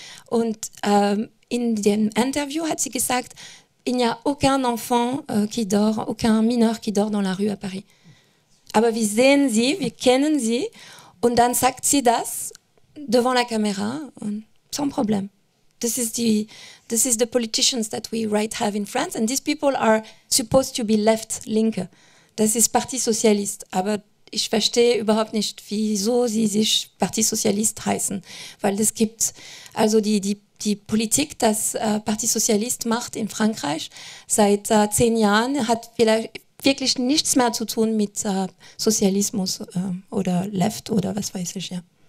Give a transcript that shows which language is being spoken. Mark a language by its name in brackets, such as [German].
[German] Und in dem Interview hat sie gesagt, [French] il n'y a aucun enfant qui dort, aucun mineur qui dort dans la rue à Paris. [German] Aber wir sehen sie, wir kennen sie, und dann sagt sie das [French] devant la caméra, [German] und [French] sans problème. [English] This is the politicians that we right have in France, and these people are supposed to be left linke. [German] Das ist Parti Socialiste. Aber ich verstehe überhaupt nicht, wieso sie sich Parti Socialiste heißen, weil es gibt also die Politik, das Parti Socialiste macht in Frankreich seit 10 Jahren, hat vielleicht wirklich nichts mehr zu tun mit Sozialismus oder Left oder was weiß ich, ja.